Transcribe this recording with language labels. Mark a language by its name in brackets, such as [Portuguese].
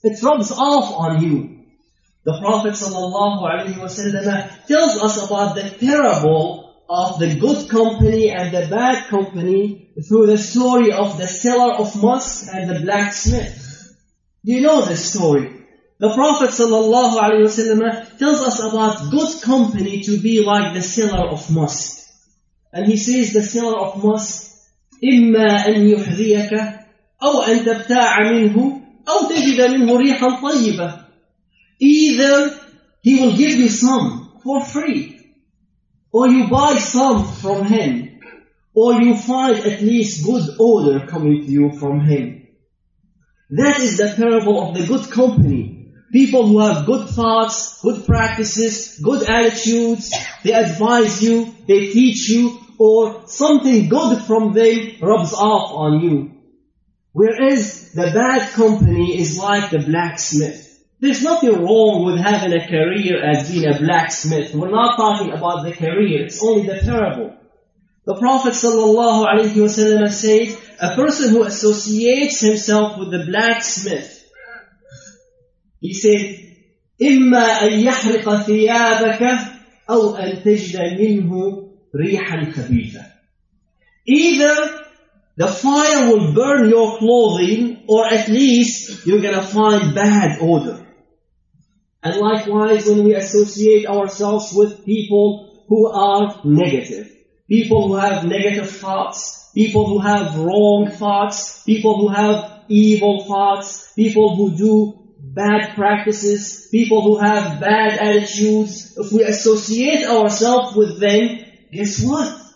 [English] It rubs off on you. The Prophet ﷺ tells us about the parable of the good company and the bad company through the story of the seller of musk and the blacksmith. You know this story. The Prophet ﷺ tells us about good company to be like the seller of musk. And he says the seller of musk, [Arabic] إِمَّا أَنْ يُحْذِيَكَ أَوْ أَنْ تَبْتَاعَ مِنْهُ أَوْ تَجِدَ مِنْهُ رِيحًا طَيِّبًا. [English] Either he will give you some for free, or you buy some from him, or you find at least good odor coming to you from him. That is the parable of the good company. People who have good thoughts, good practices, good attitudes, they advise you, they teach you, or something good from them rubs off on you. Whereas the bad company is like the blacksmith. There's nothing wrong with having a career as being a blacksmith. We're not talking about the career. It's only the parable. The Prophet sallallahu alaihi wasallam says, a person who associates himself with the blacksmith, he said, [Arabic] إما أن يحرق ثيابك أو أن تجد منه ريحا خبيثة. [English] Either the fire will burn your clothing, or at least you're going to find bad odor. And likewise, when we associate ourselves with people who are negative, people who have negative thoughts, people who have wrong thoughts, people who have evil thoughts, people who do bad practices, people who have bad attitudes, if we associate ourselves with them, guess what?